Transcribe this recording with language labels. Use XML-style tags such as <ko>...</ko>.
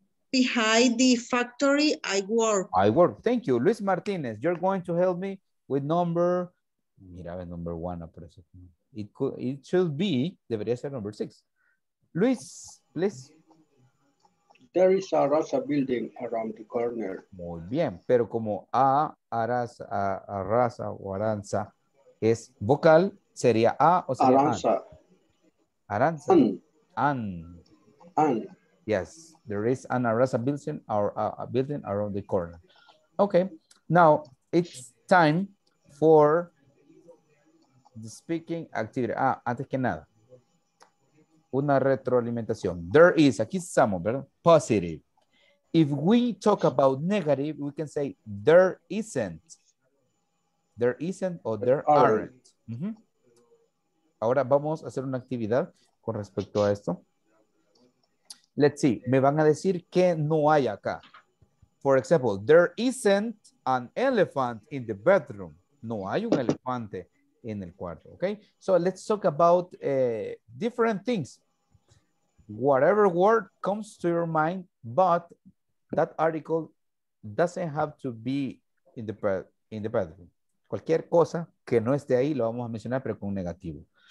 <en>Behind the factory, I work. Thank you. Luis Martinez, you're going to help me with number.</en> <es>Mira,</es> <en>number one.</en> <es>Por eso.</es> <en>It should be,</en> <es>debería ser</es> <en>number six. Luis, please. There is a Arasa building around the corner.</en> <es>Muy bien. Pero como A, Arasa, Arasa o Aranza es vocal, sería A o sería Aranza. Aranza.</es> <en>An. Yes. There is an Arasa building or a building around the corner. Okay, now it's time for the speaking activity.</en> <es>Ah, antes que nada, una retroalimentación.</es> <en>There is,</en> <es>aquí estamos,</es> <en>¿verdad? Positive. If we talk about negative, we can say there isn't. There isn't or there aren't. Mm-hmm.</en> <es>Ahora vamos a hacer una actividad con respecto a esto.</es> <en>Let's see,</en> <es>me van a decir que no hay acá.</es> <en>For example, there isn't an elephant in the bedroom.</en> <es>No hay un elefante en el cuarto, okay?</es> <en>So let's talk about different things. Whatever word comes to your mind, but that article doesn't have to be in the bedroom.</en> <es>Cualquier cosa que no esté ahí, lo vamos a mencionar, pero con negativo.</es>